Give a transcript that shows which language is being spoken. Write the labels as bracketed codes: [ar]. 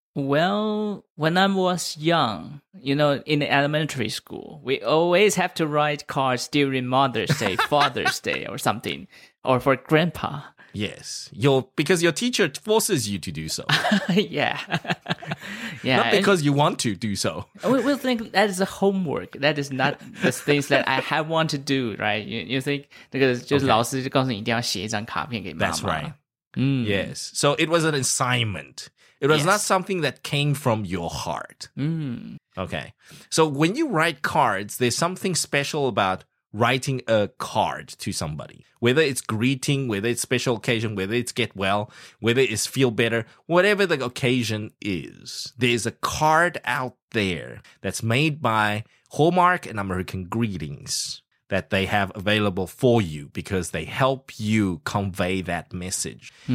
[en] Well, when I was young, you know, in elementary school, we always have to write cards during Mother's Day, Father's Day, or something, or for Grandpa. Yes, because your teacher forces you to do so. Yeah. Yeah. Not because you want to do so. We think that is a homework. That is not the things that I have want to do, right? You think, because just okay. [zh] 老师就告诉你一定要写一张卡片给妈妈。 [en] That's right. Yes. So it was an assignment. It was not something that came from your heart. Okay. So when you write cards, there's something special about writing a card to somebody. Whether it's greeting, whether it's special occasion, whether it's get well, whether it's feel better, whatever the occasion is, there's a card out there that's made by Hallmark and American Greetings that they have available for you because they help you convey that message.